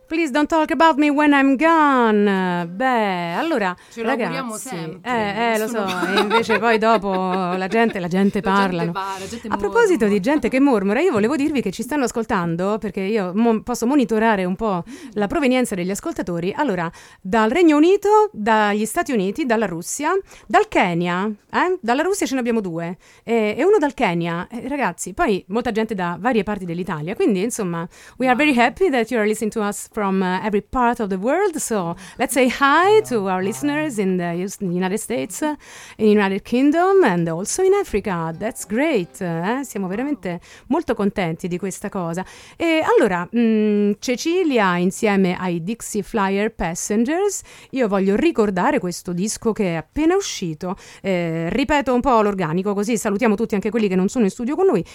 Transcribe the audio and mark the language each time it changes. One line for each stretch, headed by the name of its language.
English: Don't talk about me when I'm gone.
Italian: Beh, allora, ci auguriamo sempre. Lo so, e invece poi dopo la gente parla. La gente a proposito di gente che mormora, io volevo dirvi che ci stanno ascoltando, perché io posso monitorare un po' la provenienza degli ascoltatori. Allora, dal Regno Unito, dagli Stati Uniti, dalla Russia, dal Kenya, dalla Russia ce ne abbiamo due, e uno dal Kenya. Ragazzi, poi molta gente da varie parti dell'Italia, quindi insomma,
English: we are very happy that you are listening to us from every part of the world. So let's say hi to our listeners in the United States, in United Kingdom and also in Africa. That's great.
Italian: Siamo veramente molto contenti di questa cosa. E allora, Cecilia, insieme ai Dixie Flyer Passengers, io voglio ricordare questo disco che è appena uscito. Ripeto un po' l'organico, così salutiamo tutti, anche quelli che non sono in studio con noi.